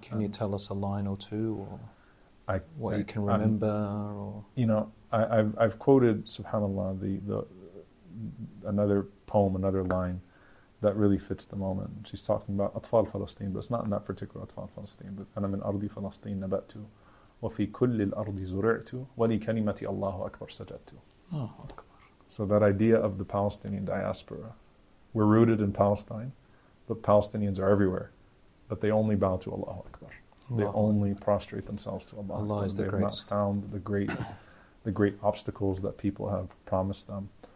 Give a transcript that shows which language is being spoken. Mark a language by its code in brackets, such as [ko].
[en] Can you tell us a line or two or what you can remember? You know, I've quoted, subhanAllah, the another poem, another line that really fits the moment. She's talking about Atfal Palestine, but it's not in that particular Atfal Palestine. But [ar] أنا من أرضي فلسطين نبأتو وفي كل الأرض زرعتو ولكلمتي الله أكبر سجدتو. [en] So that idea of the Palestinian diaspora, we're rooted in Palestine, but Palestinians are everywhere, but they only bow to Allahu Akbar. They only prostrate themselves to Allah. Allah is the greatest. They have not found the great obstacles that people have promised them.